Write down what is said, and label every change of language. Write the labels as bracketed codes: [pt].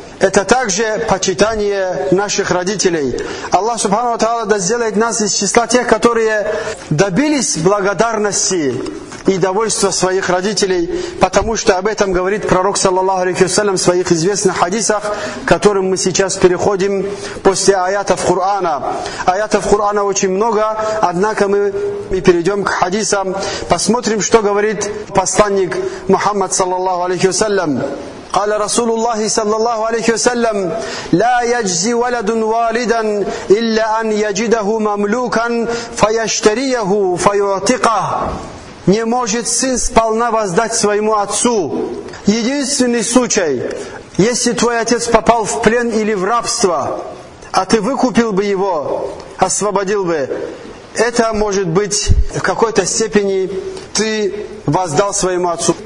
[ru] Это также почитание наших родителей. Аллах Субхану ва Тааля да сделает нас из числа тех, которые добились благодарности и довольство своих родителей, потому что об этом говорит пророк, саллаллаху алейхи ва саллям, в своих известных хадисах, к которым мы сейчас переходим после аятов Кур'ана. Аятов Кур'ана очень много, однако мы перейдем к хадисам, посмотрим, что говорит посланник Мухаммад, саллаллаху алейхи ва саллям. [ar] قال رسول الله صلى الله عليه وسلم لا يجزي ولد والدا إلا أن يجده مملوكا فيشتريه فيعتقه. [ru] Не может сын сполна воздать своему отцу. Единственный случай, если твой отец попал в плен или в рабство, а ты выкупил бы его, освободил бы, это может быть в какой-то степени ты воздал своему отцу.